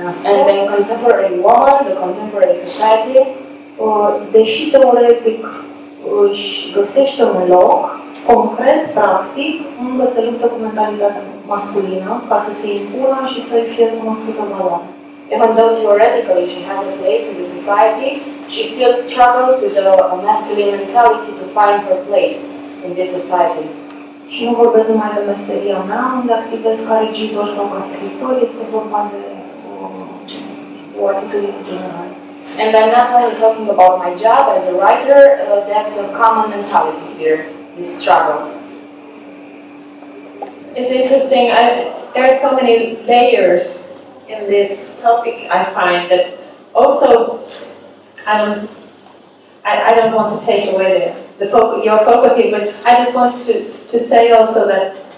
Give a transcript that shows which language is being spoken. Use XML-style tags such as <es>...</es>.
<en>and the contemporary woman, the contemporary society,</en> <ro>deși teoretic își găsește un loc, concret, practic, încă se luptă cu mentalitatea masculină ca să se impună și să-i fie cunoscută la loc.</ro> <en>Even though theoretically she has a place in the society, she still struggles with a masculine mentality to find her place in this society.</en> <ro>Și nu vorbesc numai de meseria mea, unde activez ca regizor sau ca scriitor, este vorba de</ro> <en>and I'm not only talking about my job as a writer, that's a common mentality here, this struggle. It's interesting, there are so many layers in this topic, I find, that also, I don't want to take away your focus here, but I just wanted to say also that</en>